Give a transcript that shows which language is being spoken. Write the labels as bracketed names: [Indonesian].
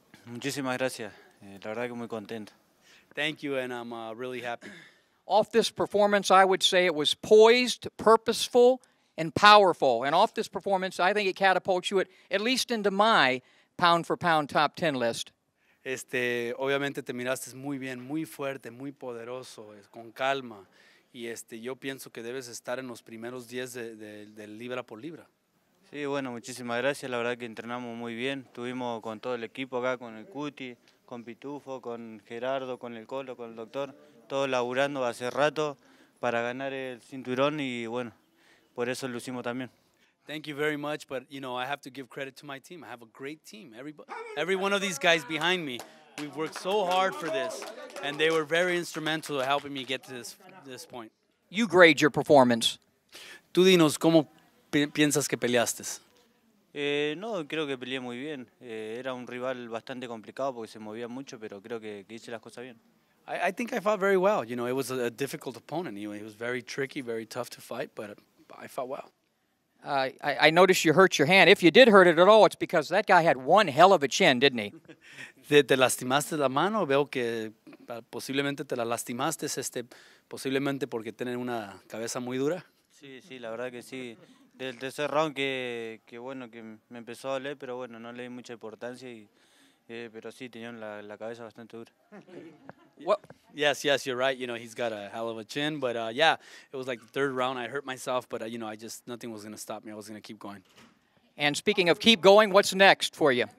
[Spanish] Muchísimas gracias. La verdad que muy contento. [English] Thank you, and I'm really happy. Off this performance, I would say it was poised, purposeful, and powerful. And off this performance, I think it catapults you at least into my pound-for-pound top 10 list. [Spanish] Obviamente te miraste muy bien, muy fuerte, muy poderoso, con calma. Y yo pienso que debes estar en los primeros 10 de libra por libra. Sí, bueno, muchísimas gracias. La verdad que entrenamos muy bien. Tuvimos con todo el equipo acá, con el Cuti, con Pitufo, con Gerardo, con el Colo, con el Doctor, todos laburando hace rato para ganar el cinturón y, bueno, por eso lo hicimos también. [English] Thank you very much, but, you know, I have to give credit to my team. I have a great team. Every one of these guys behind me, we've worked so hard for this, and they were very instrumental in helping me get to this point. You grade your performance. [Spanish] Tú dinos, ¿cómo piensas que peleaste? No, creo que peleé muy bien. Era un rival bastante complicado porque se movía mucho, pero creo que hice las cosas bien. [English] I think I fought very well. You know, it was a difficult opponent. He was very tricky, very tough to fight, but I fought well. I noticed you hurt your hand. If you did hurt it at all, it's because that guy had one hell of a chin, didn't he? [Spanish] ¿Te lastimaste la mano? Veo que posiblemente te la lastimaste, posiblemente porque tiene una cabeza muy dura. Sí, sí, la verdad que sí. Del tercer round que bueno que me empezó a doler, pero bueno, no le di mucha importancia y pero sí tenía la cabeza bastante dura. [English] Well, yes, you're right. You know, he's got a hell of a chin, but yeah, it was like the third round I hurt myself, but you know, I just nothing was going to stop me. I was going to keep going. And speaking of keep going, what's next for you?